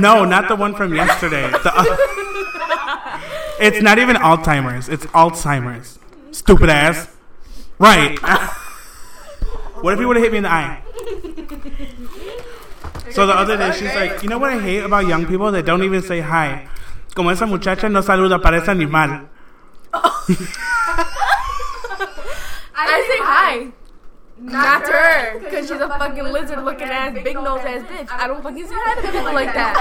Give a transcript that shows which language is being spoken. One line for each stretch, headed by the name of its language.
English: No, not the one from yesterday. It's not even Alzheimer's, it's Alzheimer's. Stupid ass. Right. What if he would have hit me in the eye? So the other day, she's like, you know what I hate about young people? They don't even say hi.
Spanish: Como esa muchacha no saluda, parece animal.
English: I say hi. Not to her, because she's a fucking lizard looking ass, big nose ass bitch. I don't fucking see her head looking like that.